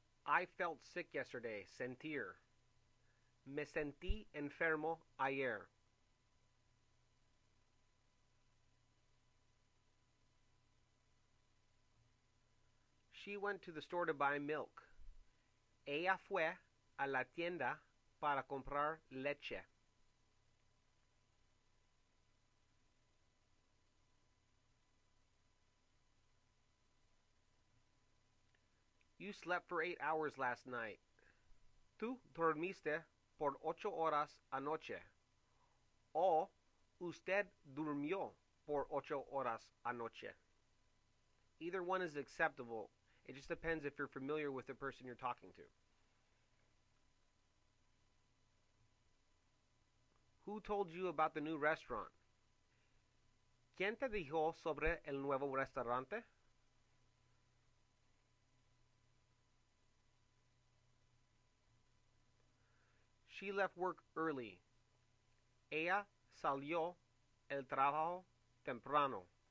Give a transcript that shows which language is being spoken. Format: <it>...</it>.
<en>I felt sick yesterday,</en> <es>sentir. Me sentí enfermo ayer.</es> <en>She went to the store to buy milk.</en> <es>Ella fue a la tienda para comprar leche.</es> <en>You slept for 8 hours last night.</en> <es>Tú dormiste por 8 horas anoche. O usted durmió por 8 horas anoche.</es> <en>Either one is acceptable. It just depends if you're familiar with the person you're talking to. Who told you about the new restaurant?</en> <es>¿Quién te dijo sobre el nuevo restaurante?</es> <en>She left work early.</en> <es>Ella salió el trabajo temprano.</es>